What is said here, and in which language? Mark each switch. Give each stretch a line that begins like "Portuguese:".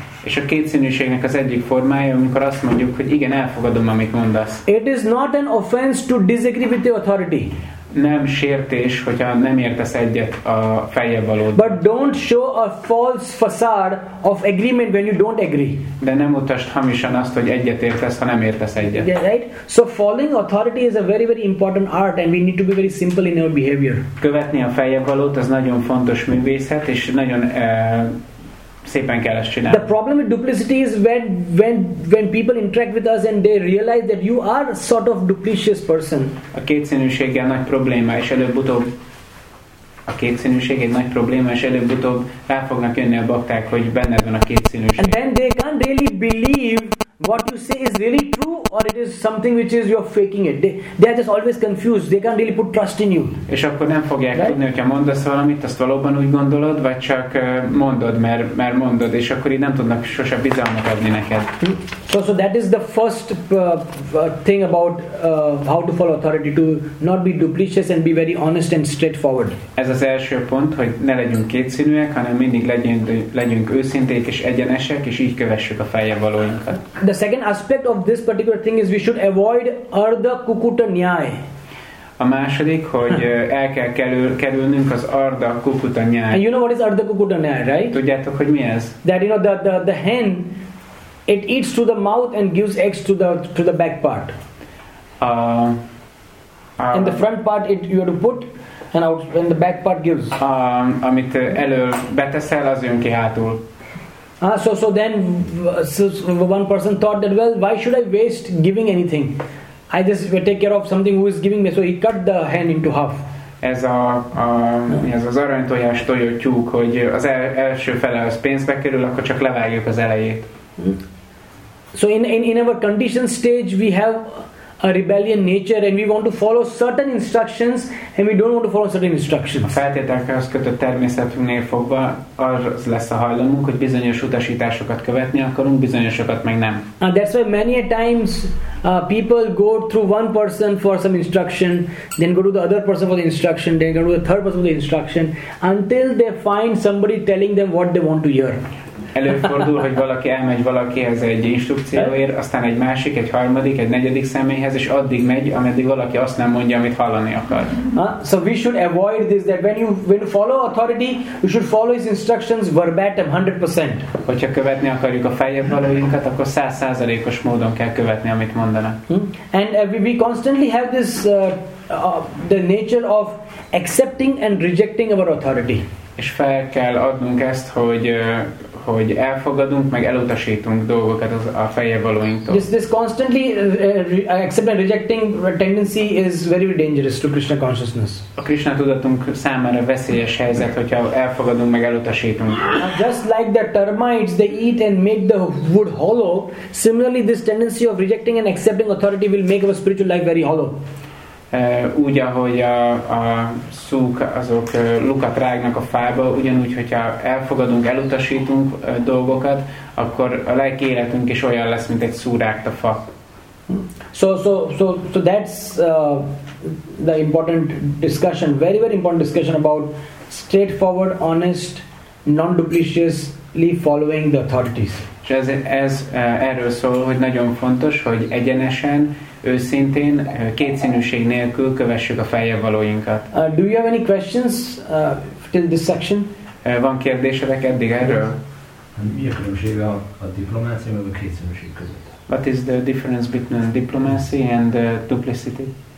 Hungarian: És a kétszínűségnek az egyik formája, amikor azt mondjuk, hogy igen, elfogadom, amit mondasz.
English: It is not an offense to disagree with the authority.
Hungarian: Nem sértés, hogyha nem értesz egyet a fejjel valód.
English: But don't show a false facade of agreement when you don't agree.
Hungarian: De nem utasd hamisan azt, hogy egyet értesz, ha nem értesz egyet.
English: Yeah, right? So following authority is a very very important art and we need to be very simple in our behavior.
Hungarian: Követni a fejjel valót, az nagyon fontos művészet és nagyon szépen kell ezt csinálni.
English: The problem with duplicity is when people interact with us and they realize that you are a sort of duplicitous person.
Hungarian: A kétszínűséggel nagy probléma, és előbb-utóbb rá fognak jönni a bakták, hogy benned van a kétszínűség.
English: And then they can't really believe what you say is really true or it is something which is you're faking it. They are just always confused. They can't really put trust in you.
Hungarian: És akkor nem fogják tudni, hogyha mondasz valamit, azt valóban úgy gondolod, vagy csak mondod, mert mondod, és akkor így nem tudnak sose bizalmat adni neked.
English: So that is the first thing about how to follow authority, to not be duplicitous and be very honest and straightforward.
Hungarian: Ez az első pont, hogy ne legyünk kétszínűek, hanem mindig legyünk őszinték és egyenesek, és így kövessük a fejjel valóinkat.
English: The second aspect of this particular thing is we should avoid Ardha Kukuta Nyaya.
Hungarian: A második, hogy el kell kerülnünk az Ardha Kukuta Nyaya.
English: And you know what is Ardha Kukuta Nyaya, right?
Hungarian: Tudjátok, hogy mi ez?
English: That you know the hen, it eats through the mouth and gives eggs to the back part. And the front part it you have to put and out when the back part gives.
Hungarian: Amit elől beteszel, az jön ki hátul.
English: So one person thought that, well, why should I waste giving anything? I just take care of something who is giving me. So he cut the hen into half.
Hungarian: Ez az aranytojás tojó tyúk, hogy az első fele az pénzbe kerül, akkor csak levágjuk az elejét.
English: So in our conditioned stage, we have a rebellion nature and we want to follow certain instructions and we don't want to follow certain instructions.
Hungarian: A feltételekhez kötött természetünknél fogva az lesz a hajlamunk, hogy bizonyos utasításokat követni akarunk, bizonyosokat meg nem.
English: And that's why many a times people go through one person for some instruction, then go to the other person for the instruction, then go to the third person for the instruction until they find somebody telling them what they want to hear.
Hungarian: előfordul, hogy valaki elmegy valakihez egy instrukcióért, aztán egy másik, egy harmadik, egy negyedik személyhez, és addig megy, ameddig valaki azt nem mondja, amit hallani akar.
English: So we should avoid this, that when you follow authority, you should follow his instructions verbatim 100%.
Hungarian: Hogyha követni akarjuk a feljebb valóinkat, akkor 100%-os módon kell követni, amit mondanak.
English: And we constantly have this the nature of accepting and rejecting our authority.
Hungarian: És fel kell adnunk ezt, hogy elfogadunk, meg elutasítunk dolgokat a feljebb valóinktól.
English: This constantly accepting and rejecting tendency is very, very dangerous to Krishna consciousness.
Hungarian: A Krishna tudatunk számára veszélyes helyzet, hogyha elfogadunk, meg elutasítunk.
English: Just like the termites, they eat and make the wood hollow, similarly this tendency of rejecting and accepting authority will make our spiritual life very hollow.
Hungarian: Úgy, ahogy a szúk, azok lukat rágnak a fába, ugyanúgy, hogyha elfogadunk, elutasítunk dolgokat, akkor a lelki életünk is olyan lesz, mint egy szúrágt a fa.
English: So that's the important discussion, very, very important discussion about straightforward, honest, non-dupliciously following the authorities.
Hungarian: És ez erről szól, hogy nagyon fontos, hogy egyenesen, őszintén, kétszínűség nélkül kövessük a feljebb valóinkat.
English: Do you have any questions till this section?
Hungarian: Van kérdésedek eddig erről? Mi a különbség a diplomácia meg a kétszínűség között?
English: What is the difference between diplomacy and duplicity?